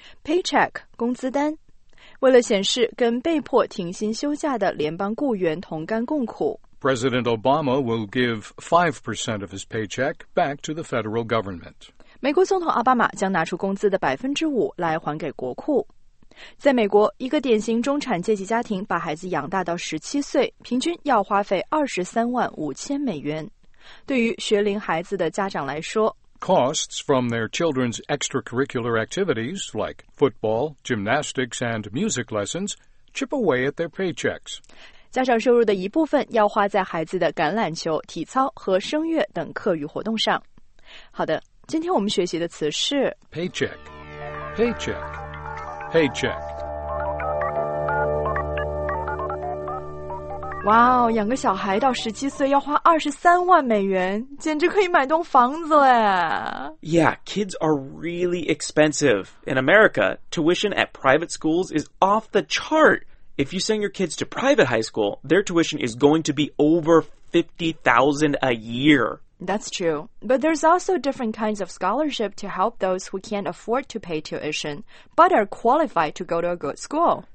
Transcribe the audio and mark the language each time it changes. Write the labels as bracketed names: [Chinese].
[Chinese] Paycheck, 工资单。为了显示跟被迫停薪休假的联邦雇员同甘共苦 [English] President Obama will give 5% of his paycheck back to the federal government. [Chinese] 美国总统奥巴马将拿出工资的5%来还给国库。在美国，一个典型中产阶级家庭把孩子养大到17岁，平均要花费$235,000。对于学龄孩子的家长来说， [English] Costs from their children's extracurricular activities, like football, gymnastics, and music lessons, chip away at their paychecks. [Chinese] 家长收入的一部分要花在孩子的橄榄球、体操和声乐等课余活动上。好的，今天我们学习的词是 [English] paycheck, paycheck, paycheck. [Chinese] Wow, 养个小孩到17岁要花$230,000，简直可以买栋房子嘞。 [English] Yeah, kids are really expensive. In America, tuition at private schools is off the chart. If you send your kids to private high school, their tuition is going to be over $50,000 a year. That's true. But there's also different kinds of scholarship to help those who can't afford to pay tuition, but are qualified to go to a good school.